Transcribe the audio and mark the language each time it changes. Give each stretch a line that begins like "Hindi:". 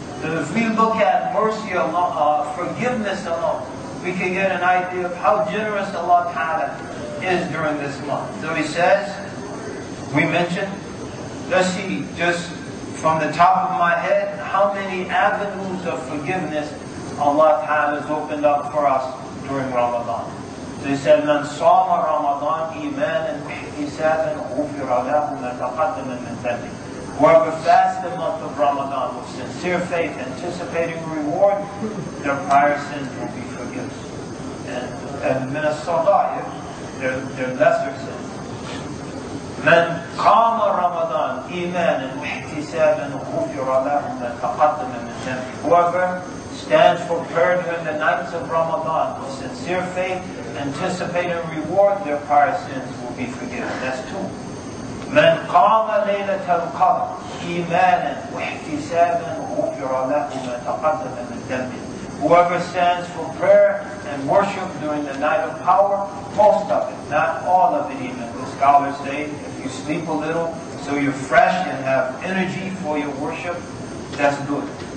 English: So if we look at mercy alone, forgiveness alone, we can get an idea of how generous Allah Ta'ala is during this month. So he says, we mentioned, let's see, just from the top of my head, how many avenues of forgiveness Allah Ta'ala has opened up for us during Ramadan. So he said,
Arabic: من صام رمضان إيمانا واحتسابا غفر له ما تقدم من ذنبه.
English: Whoever fasts the month of Ramadan with sincere faith, anticipating reward, their prior sins will be forgiven. And
Arabic: من الصلاة,
English: their lesser sins.
Arabic: من قام رمضان إيمانا واحتسابا غفر له ما تقدم من ذنبه.
English: Whoever stands for prayer during the nights of Ramadan with sincere faith, anticipating reward, their prior sins will be forgiven. That's two.
Arabic: من قام ليلة علينا تنقض إيمانا واحتسابا غفر له ما تقدم من ذنبه.
English: Whoever stands for prayer and worship during the night of power, most of it, not all of it even. The scholars say if you sleep a little, so you're fresh and have energy for your worship, that's good.